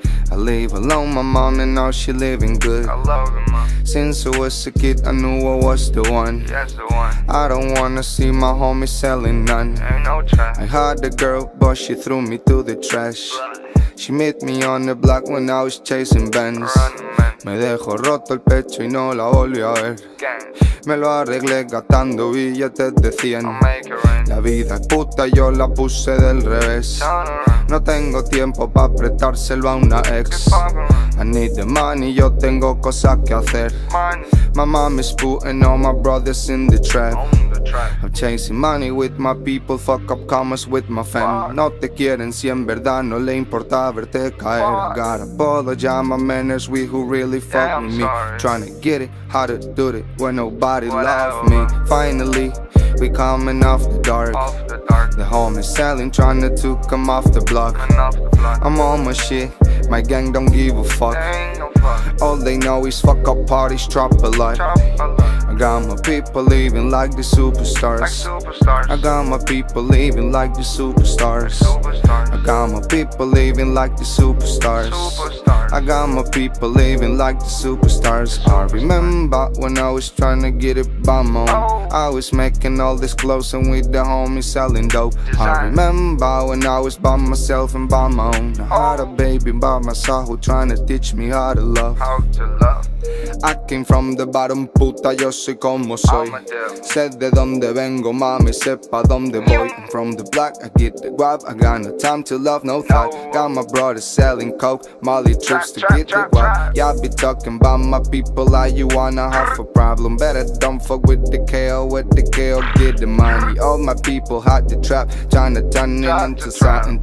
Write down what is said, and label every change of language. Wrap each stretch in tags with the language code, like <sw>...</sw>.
<en>I live alone, my mom, and now she living good. I love him, since I was a kid, I knew I was the one. Yes, the one. I don't wanna see my homies selling none. Ain't no trash. I had a girl, but she threw me to the trash. She met me on the block when I was chasing Benz.</en> <es>Me dejo roto el pecho y no la volví a ver. Me lo arreglé gastando billetes de 100. La vida es puta, yo la puse del revés. No tengo tiempo pa' prestárselo a una ex. I need the money, yo tengo cosas que hacer.</es> <en>My mom is putting all my brothers in the trap. I'm chasing money with my people, fuck up commas with my fam.</en> <es>No te quieren si en verdad no le importa verte caer.</es> <en>I gotta apologize, my man, it's we who really fuck with me. Tryna get it, how to do it when nobody love me. Finally, we coming off the dark. The homies selling, tryna to come off the block. I'm on my shit, my gang don't give a fuck. All they know is fuck up parties, drop a lot. I got my people living like the superstars. I got my people living like the superstars. I got my people living like the superstars. I got my people living like the superstars. I remember when I was trying to get it by my own. I was making all this clothes and with the homies selling dope. I remember when I was by myself and by my own. I had a baby by my side who trying to teach me how to love. How to love. I came from the bottom, puta, yo soy como soy.</en> <es>Sé de donde vengo, mami, sepa donde voy.</es> <en>I'm from the block, I get the guap. I got no time to love, no thought. Got my brother selling coke, Molly trips to get the guap. Yeah, I be talking about my people, like you wanna have a problem. Better don't fuck with the KO, with the KO, get the money. All my people hot the trap, tryna turn it into something.</en>